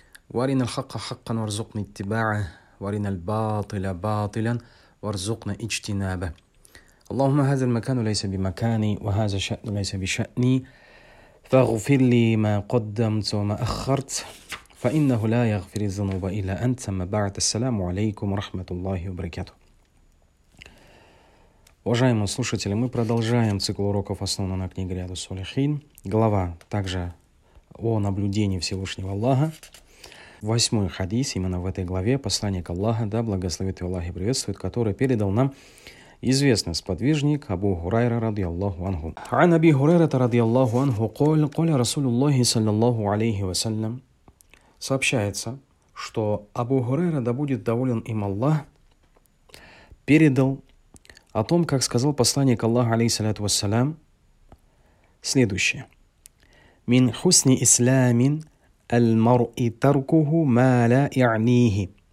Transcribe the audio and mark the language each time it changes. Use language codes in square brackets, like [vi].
[ar] وارنا الحق حقا وارزقنا اتباعه وارنا الباطل باطلا وارزقنا اجتنابه. اللهم هذا المكان ليس بمكاني وهذا شأن ليس بشأني. فاغفر لي ما قدمت وما أخرت فإنه لا يغفر الذنوب إلا أنت. ثم بعد السلام عليكم ورحمة الله وبركاته. [ru] Уважаемые слушатели, мы продолжаем цикл уроков, основанный на книге Риаду Салихин. Глава также о наблюдении Всевышнего Аллаха. Восьмой хадис, именно в этой главе, посланник Аллаха, да благословит его Аллах и приветствует, который передал нам известный сподвижник Абу Хурайра радиаллаху анху. [ar] عن أبي هريرة رضي الله عنه قال قال رسول الله صلى الله عليه وسلم. [ru] Сообщается, что Абу Хурайра, да будет доволен им Аллах, передал о том, как сказал посланник Аллаха, алейхиссаляту вассалям, следующее. [ar] «Мин хусни исламин аль-мар'и таркуху ма ла я'нихи».